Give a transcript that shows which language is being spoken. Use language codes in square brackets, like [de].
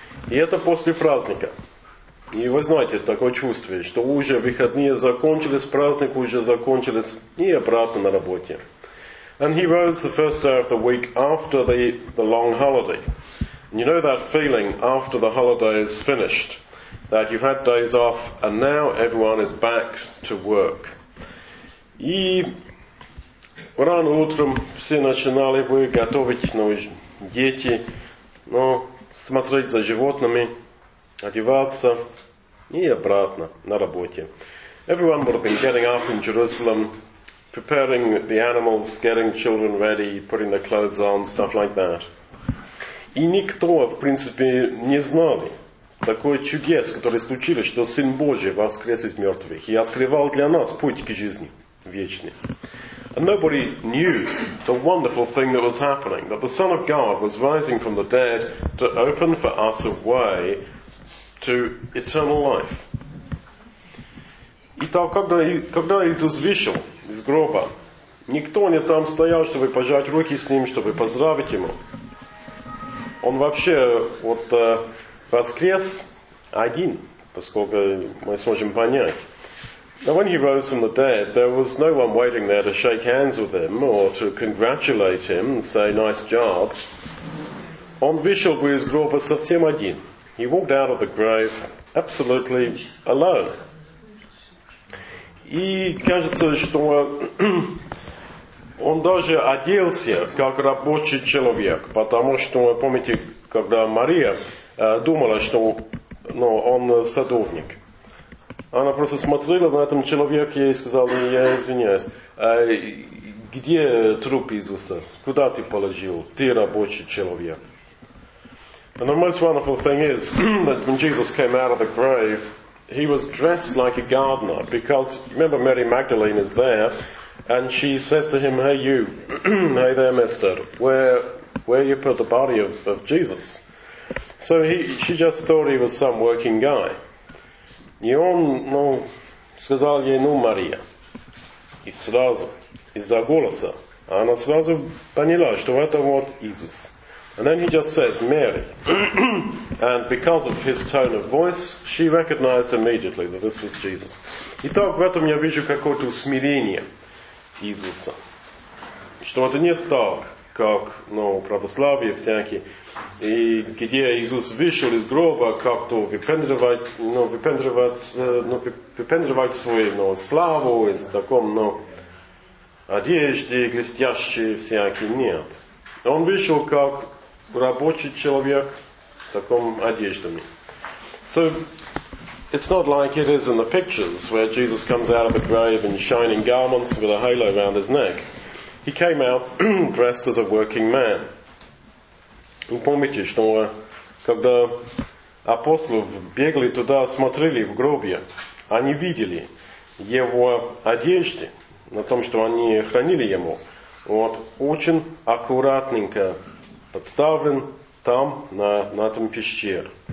[ru] И это после праздника. И вы знаете, такое чувство, что уже выходные закончились, праздник уже закончились, и обратно на работе. [en] And he rose the first day of the week after the long holiday. And you know that feeling after the holiday is finished, that you've had days off, and now everyone is back to work. [ru] И рано утром все начинали бы готовить, ну, дети, ну, смотреть за животными, одеваться и обратно на работе. [en] Everyone would have been getting up in Jerusalem, preparing the animals, getting children ready, putting their clothes on, stuff like that. [ru] И никто, в принципе, не знал такое чудес, которое случилось, что Сын Божий воскрес из мертвых и открывал для нас путь к жизни вечной. [en] And nobody knew the wonderful thing that was happening, that the Son of God was rising from the dead to open for us a way to eternal life. [ru] Итак, когда Иисус вышел из гроба, никто не там стоял, чтобы пожать руки с Ним, чтобы поздравить Ему. Он вообще вот воскрес один, поскольку мы сможем понять. [en] Now when he rose from the dead, there was no one waiting there to shake hands with him or to congratulate him and say, nice job. [ru] Он вышел бы из гроба совсем один. [en] He walked out of the grave absolutely alone. [ru] И кажется, что он даже оделся как рабочий человек, потому что, помните, когда Мария думала, что ну, он садовник. Она просто смотрела на этого человека и сказала, я извиняюсь, а где труп Иисуса? Куда ты положил? Ты рабочий человек. [en] And the most wonderful thing is that when Jesus came out of the grave, he was dressed like a gardener, because remember Mary Magdalene is there, and she says to him, hey you, hey there mister, where you put the body of Jesus? So she just thought he was some working guy. [ru] И он, ну, сказал ей, ну, Мария. И сразу, из-за голоса, она сразу поняла, что это вот Иисус. [en] And then he just says, Mary. And because of his tone of voice, she recognized immediately that this was Jesus. [ru] Итак, в этом я вижу какое-то усмирение Иисуса. Что это не так, как, ну, православие всякие. И где Иисус вышел из гроба, как-то выпендривать свою славу из таком одежде, глестящей всякие. Нет. Он вышел как рабочий человек в таком одеждами. [en] So it's not like it is in the pictures where Jesus comes out of the grave in shining garments with a halo around his neck. He came out dressed as a working man. [ru] Вы помните, что когда апостолы бегали туда, смотрели в гробе, они видели его одежды, на том, что они хранили ему, вот, очень аккуратненько подставлен там, на этом пещере.